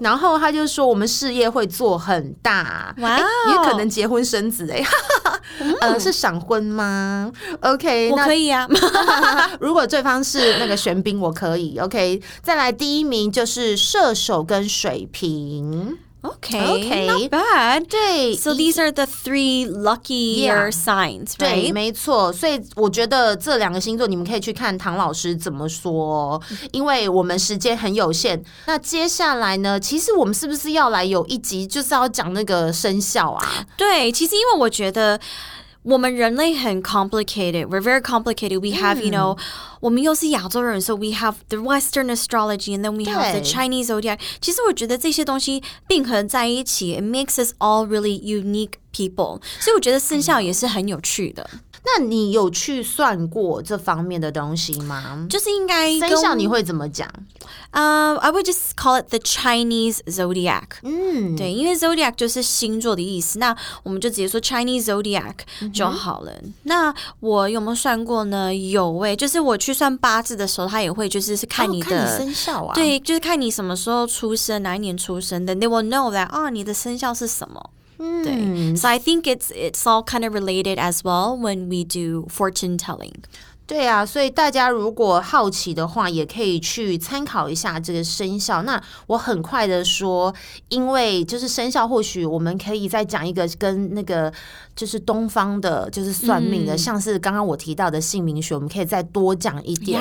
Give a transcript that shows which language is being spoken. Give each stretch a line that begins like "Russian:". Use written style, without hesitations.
Chinese: 然后他就说我们事业会做很大。
English: Wow.
Chinese: 也可能结婚生子诶。是赏婚吗 ?OK, 我可以啊。如果对方是那个玄彬我可以。OK, 再来第一名就是射手跟水瓶。
English: Okay, okay, not bad.
Chinese: 对,
English: so these are the three luckier signs, right?
Chinese: 对，没错。所以我觉得这两个星座你们可以去看唐老师怎么说，因为我们时间很有限。那接下来呢，其实我们是不是要来有一集就是要讲那个生肖啊？对，其实因为我觉得我们人类很
English: complicated, we're very complicated, we have, you know,
Chinese: 我们又是亚洲人,
English: so we have the Western astrology, and then we have the Chinese zodiac.
Chinese: 其实我觉得这些东西并合在一起,
English: it makes us all really unique people.
Chinese: 所以我觉得生肖也是很有趣的。那你有去算过这方面的东西吗？就是应该生肖你会怎么讲？
English: I would just call it the Chinese zodiac.
Chinese: 对，因为 zodiac 就是星座的意思，那我们就直接说 Chinese zodiac 就好了。那我有没有算过呢？有耶，就是我去算八字的时候，他也会就是看你的生肖啊。对，就是看你什么时候出生，哪一年出生的。
English: They will know that,
Chinese: 哦，你的生肖是什么。
English: 对 So I think it's all kind of related as well when we do fortune telling.
Chinese: 对啊，所以大家如果好奇的话也可以去参考一下这个生肖。那我很快的说，因为就是生肖或许我们可以再讲一个跟那个就是东方的就是算命的像是刚刚我提到的姓名学，我们可以再多讲一点。